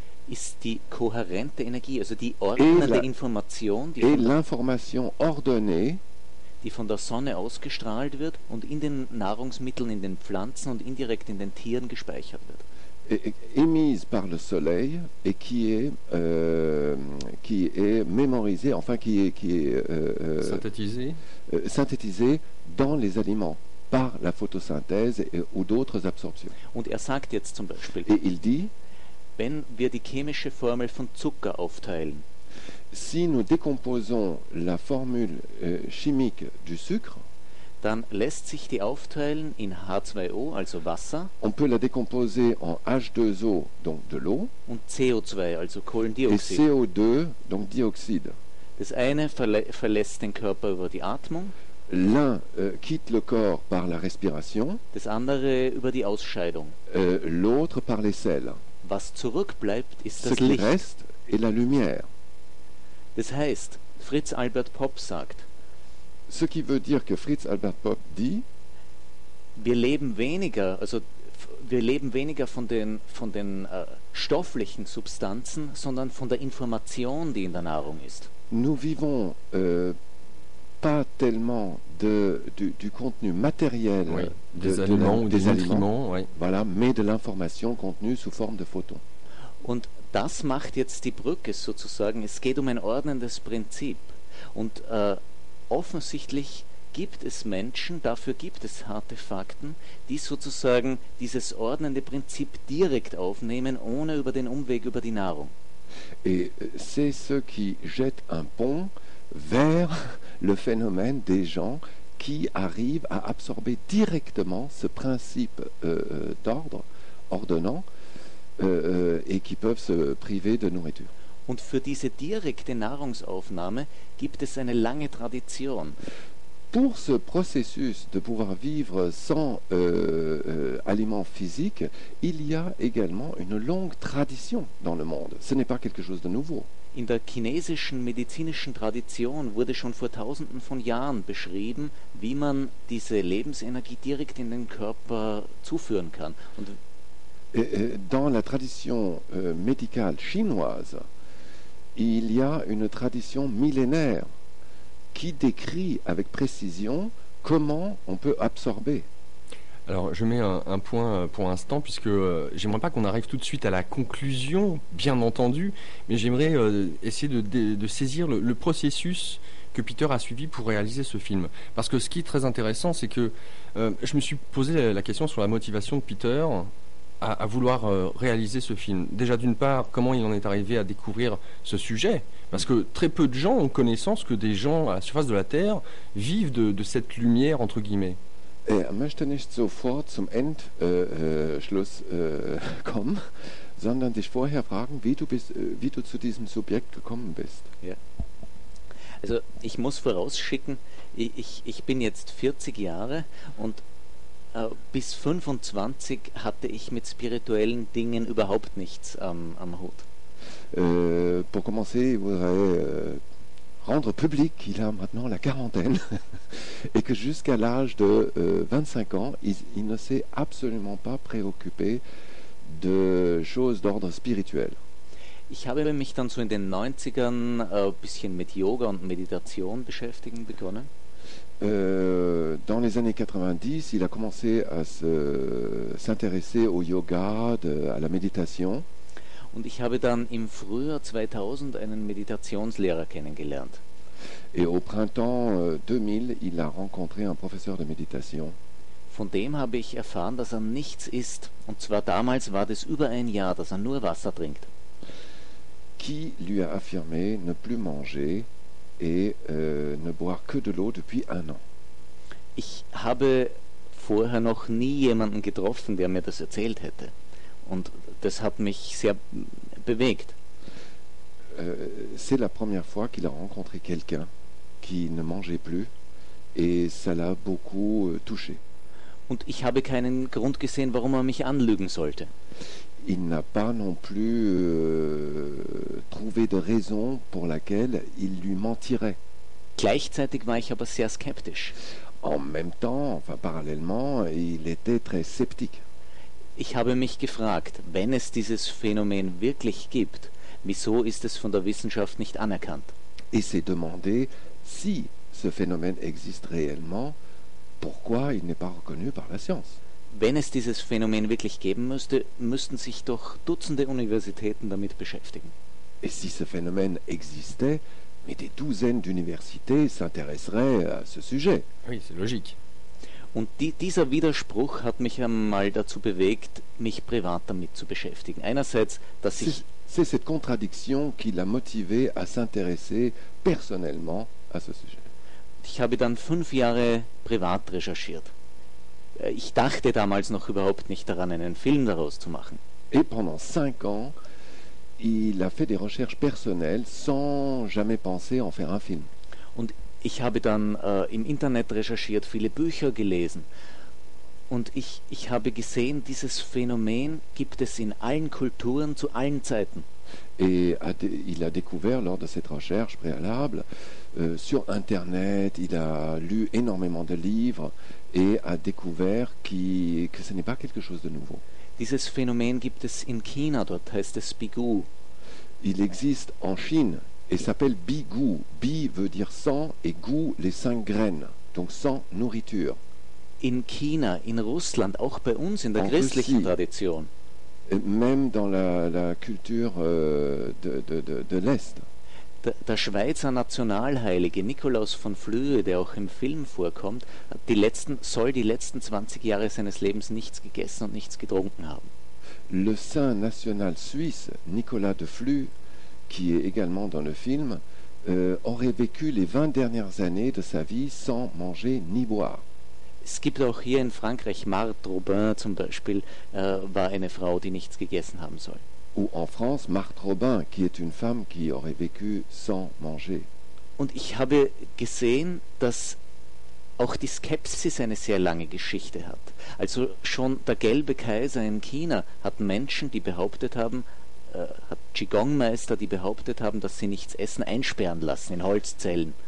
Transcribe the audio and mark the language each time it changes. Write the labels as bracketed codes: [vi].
[de] ist die kohärente Energie, also die ordnende Information, die [fr] et l'information ordonnée, [de] die von der Sonne ausgestrahlt wird und in den Nahrungsmitteln, in den Pflanzen und indirekt in den Tieren gespeichert wird. [fr] Émise par le soleil et qui est mémorisé, enfin qui est synthétisé dans les aliments par la photosynthèse et, ou d'autres absorptions. [de] Und er sagt jetzt zum Beispiel, [fr] et il dit, [de] wenn wir die chemische Formel von Zucker aufteilen, [fr] si nous décomposons la formule chimique du sucre, [de] dann lässt sich die aufteilen in H2O, also Wasser. [fr] On peut la décomposer en H2O, donc de l'eau. [de] Und CO2, also Kohlendioxid. [fr] Et CO2, donc dioxyde. [de] Das eine verlässt den Körper über die Atmung. [fr] L'un quitte le corps par la respiration. [de] Das andere über die Ausscheidung. [fr] L'autre par les selles. [de] Was zurückbleibt, ist das [fr] Ce qui [de] Licht. [fr] Reste est la lumière. [de] Das heißt, Fritz Albert Popp sagt, [fr] ce qui veut dire que Fritz Albert Popp dit, [de] wir leben weniger, also wir leben weniger von den stofflichen Substanzen, sondern von der Information, die in der Nahrung ist. [fr] Nous vivons pas tellement du contenu matériel des aliments, oui. Voilà, mais de l'information contenue sous forme de photons. [de] Und das macht jetzt die Brücke sozusagen. Es geht um ein ordnendes Prinzip. Und offensichtlich gibt es Menschen, dafür gibt es harte Fakten, die sozusagen dieses ordnende Prinzip direkt aufnehmen, ohne über den Umweg über die Nahrung. [fr] Et c'est ce qui jette un pont vers le phénomène des gens qui arrivent à absorber directement ce principe d'ordre ordonnant et qui peuvent se priver de nourriture. [de] Und für diese direkte Nahrungsaufnahme gibt es eine lange Tradition. [fr] Pour ce processus de pouvoir vivre sans aliments physiques, il y a également une longue tradition dans le monde. Ce n'est pas quelque chose de nouveau. [de] In der chinesischen medizinischen Tradition wurde schon vor tausenden von Jahren beschrieben, wie man diese Lebensenergie direkt in den Körper zuführen kann. Und [fr] dans la tradition médicale chinoise, il y a une tradition millénaire qui décrit avec précision comment on peut absorber. Alors, je mets un point pour l'instant, puisque j'aimerais pas qu'on arrive tout de suite à la conclusion, bien entendu, mais j'aimerais essayer de saisir le processus que Peter a suivi pour réaliser ce film. Parce que ce qui est très intéressant, c'est que je me suis posé la question sur la motivation de Peter à vouloir réaliser ce film. Déjà, d'une part, comment il en est arrivé à découvrir ce sujet ? Parce que très peu de gens ont connaissance que des gens à la surface de la Terre vivent de cette lumière, entre guillemets. [de] Er möchte nicht sofort zum Endschluss kommen, sondern dich vorher fragen, wie du zu diesem Subjekt gekommen bist. Ja. Also ich muss vorausschicken, ich bin jetzt 40 Jahre und bis 25 hatte ich mit spirituellen Dingen überhaupt nichts am Hut. [fr] Pour commencer, [de] ich [fr] voudrais rendre public qu'il a maintenant la quarantaine et que jusqu'à l'âge de 25 ans, il ne s'est absolument pas préoccupé de choses d'ordre spirituel. [de] Ich habe mich dann so in den 90ern ein bisschen mit Yoga und Meditation beschäftigen begonnen. [fr] Dans les années 90, il a commencé à s'intéresser au yoga, à la méditation. [de] Und ich habe dann im Frühjahr 2000 einen Meditationslehrer kennengelernt. [fr] Et au printemps 2000, il a rencontré un professeur de méditation. [de] Von dem habe ich erfahren, dass er nichts isst. Und zwar damals war das über ein Jahr, dass er nur Wasser trinkt. [fr] Qui lui a affirmé ne plus manger et ne boire que de l'eau depuis un an. [de] Ich habe vorher noch nie jemanden getroffen, der mir das erzählt hätte. Und das hat mich sehr bewegt. [fr] C'est la première fois qu'il a rencontré quelqu'un qui ne mangeait plus et ça l'a beaucoup touché. [de] Und ich habe keinen Grund gesehen, warum er mich anlügen sollte. [fr] Il n'a pas non plus trouvé de raison pour laquelle il lui mentirait. [de] Gleichzeitig war ich aber sehr skeptisch. [fr] En même temps, enfin parallèlement, il était très sceptique. [de] Ich habe mich gefragt, wenn es dieses Phänomen wirklich gibt, wieso ist es von der Wissenschaft nicht anerkannt? [fr] Et s'est demandé si ce phénomène existe réellement, pourquoi il n'est pas reconnu par la science? [de] Wenn es dieses Phänomen wirklich geben müsste, müssten sich doch Dutzende Universitäten damit beschäftigen. [fr] Et si ce phénomène existait, mais des douzaines d'universités s'intéresseraient à ce sujet. Oui, c'est logique. [de] Und dieser Widerspruch hat mich einmal dazu bewegt, mich privat damit zu beschäftigen. Einerseits, dass ich... [fr] C'est cette contradiction qui l'a motivé à s'intéresser personnellement à ce sujet. [de] Ich habe dann 5 Jahre privat recherchiert. Ich dachte damals noch überhaupt nicht daran, einen Film daraus zu machen. [fr] Et pendant 5 ans, il a fait des recherches personnelles sans jamais penser en faire un film. [de] Und ich habe dann im Internet recherchiert, viele Bücher gelesen. Und ich habe gesehen, dieses Phänomen gibt es in allen Kulturen zu allen Zeiten. [fr] Et il a découvert lors de cette recherche préalable sur Internet, il a lu énormément de livres et a découvert que ce n'est pas quelque chose de nouveau. [de] Dieses Phänomen gibt es in China, dort heißt es Bigu. [fr] Il existe en Chine et s'appelle Bigu. Bi veut dire sang et gu les 5 graines, donc sang, nourriture. [de] In China, in Russland, auch bei uns in der christlichen Tradition. [fr] Même dans la culture de l'Est. [de] Der Schweizer Nationalheilige Nikolaus von Flüe, der auch im Film vorkommt, soll die letzten 20 Jahre seines Lebens nichts gegessen und nichts getrunken haben. [fr] Le saint national suisse Nicolas de Flüe, qui est également dans le film, aurait vécu les 20 dernières années de sa vie sans manger ni boire. [de] Es gibt auch hier in Frankreich Marthe Robin zum Beispiel, war eine Frau, die nichts gegessen haben soll. [fr] Ou en France, Marthe Robin, qui est une femme qui aurait vécu sans manger. [de] Und ich habe gesehen, dass auch die Skepsis eine sehr lange Geschichte hat. Also schon der gelbe Kaiser in China hat Menschen, die behauptet haben, hat Qigong-Meister, die behauptet haben, dass sie nichts essen, einsperren lassen in Holzzellen.